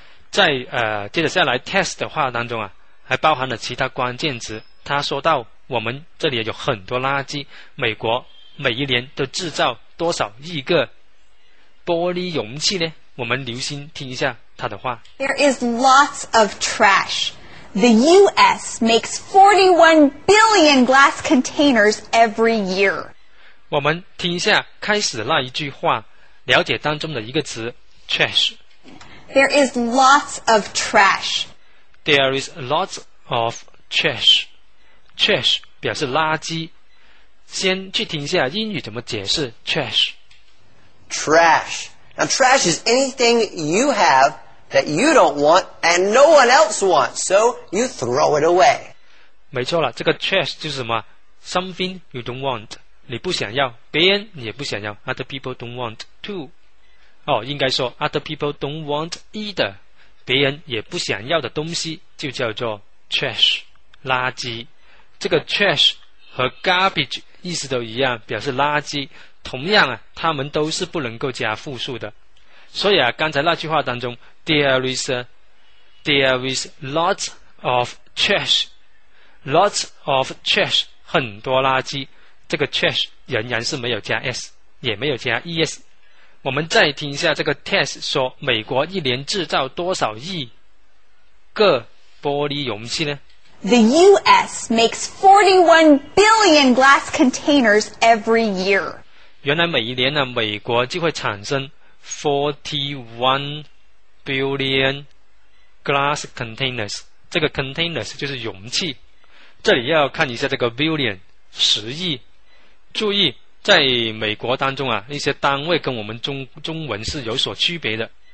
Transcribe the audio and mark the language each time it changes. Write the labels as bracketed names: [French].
[Chinese] 在接着下来 test 的话当中啊，还包含了其他关键词。他说到我们这里有很多垃圾，美国每一年都制造多少亿个玻璃容器呢？我们留心听一下他的话。 [English] There is lots of trash. The US makes 41 billion glass containers every year. [Chinese] 我们听一下开始那一句话，了解当中的一个词Trash. [English] There is lots of trash. There is lots of trash. Trash [Chinese] 表示垃圾。先去听一下英语怎么解释 trash. [English] Trash. Now trash is anything you have that you don't want and no one else wants, so you throw it away. [Chinese] 没错了，这个 trash 就是什么 ？ [English] Something you don't want. [Chinese] 你不想要，别人也不想要。 [English] Other people don't want too. [Chinese] 哦，应该说 [English] other people don't want either， [Chinese] 别人也不想要的东西就叫做 trash， 垃圾。这个 trash 和 garbage 意思都一样，表示垃圾。同样啊，它们都是不能够加复数的。所以啊，刚才那句话当中 [English] there is lots of trash， lots of trash， [Chinese] 很多垃圾。这个 trash 仍然是没有加 s， 也没有加 es。我们再听一下这个 test 说美国一年制造多少亿个玻璃容器呢？ [English] The US makes 41 billion glass containers every year. [Chinese] 原来每一年呢，美国就会产生 [English] 41 billion glass containers。 [Chinese] 这个 containers 就是容器，这里要看一下这个 billion 十亿。注意在美国当中啊，一些单位跟我们中文是有所区别的。